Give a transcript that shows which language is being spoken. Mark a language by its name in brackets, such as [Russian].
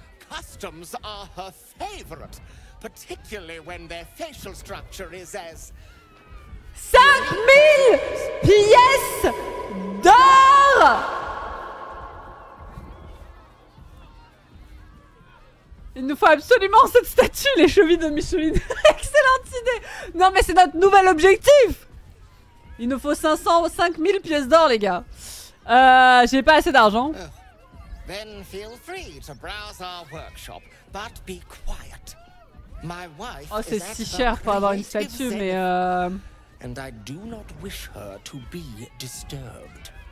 [English] Customs are her favorite, particularly when their facial structure is as [French] 5000 pièces d'or. Il nous faut absolument cette statue, les chevilles de Micheline. Excellente idée. Non mais c'est notre nouvel objectif. Il nous faut 5000 pièces d'or, les gars. J'ai pas assez d'argent. [English] Then feel free to browse our workshop, but be quiet. My wife. [French] Oh, c'est si cher pour avoir une statue, mais. [English] And I do not wish her to be disturbed.